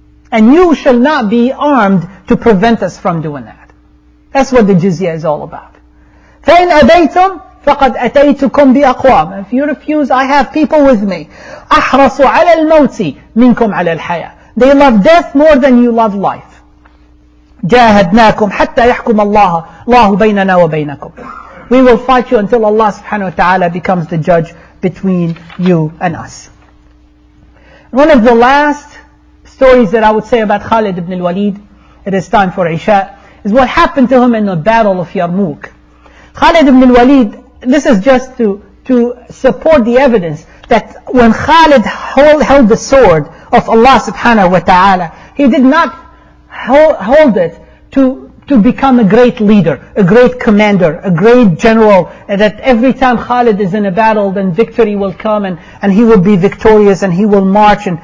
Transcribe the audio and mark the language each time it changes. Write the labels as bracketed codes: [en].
[en] And you shall not be armed to prevent us from doing that. That's what the jizya is all about. [ar] فَإِنْ أَبَيْتُمْ فَقَدْ أَتَيْتُكُمْ بِأَقْوَامٍ. [en] If you refuse, I have people with me. [ar] أَحْرَصُ عَلَى الْمَوْتِ مِنْكُمْ عَلَى الْحَيَاةِ. [en] They love death more than you love life. [ar] جاهدناكم حتى يحكم الله بيننا وبينكم. [en] We will fight you until Allah subhanahu wa ta'ala becomes the judge between you and us. One of the last stories that I would say about Khalid ibn al-Walid, it is time for Isha, is what happened to him in the battle of Yarmouk. Khalid ibn al-Walid, this is just to support the evidence that when Khalid held the sword of Allah subhanahu wa ta'ala, he did not hold it to become a great leader, a great commander, a great general, and that every time Khalid is in a battle, then victory will come and he will be victorious and he will march.